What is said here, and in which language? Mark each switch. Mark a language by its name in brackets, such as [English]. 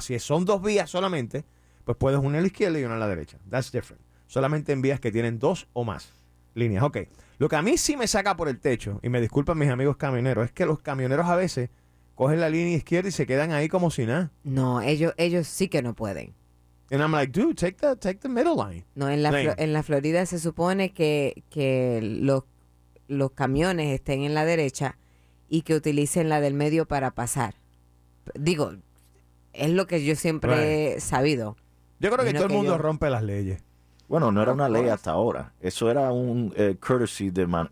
[Spanish] Si son 2 vías solamente, pues puedes una a la izquierda y una a la derecha. [English] That's different. [Spanish] Solamente en vías que tienen 2 o más líneas. Ok. Lo que a mí sí me saca por el techo, y me disculpan mis amigos camioneros, es que los camioneros a veces cogen la línea izquierda y se quedan ahí como si nada. No, ellos sí que no pueden. [English] And I'm like, dude, take the middle line. [Spanish] No, en la Florida se supone que los camiones estén en la derecha y que utilicen la del medio para pasar. Digo, es lo que yo siempre he sabido. Yo creo que todo el mundo rompe las leyes. Bueno, no era una ley hasta ahora. Eso era un courtesy de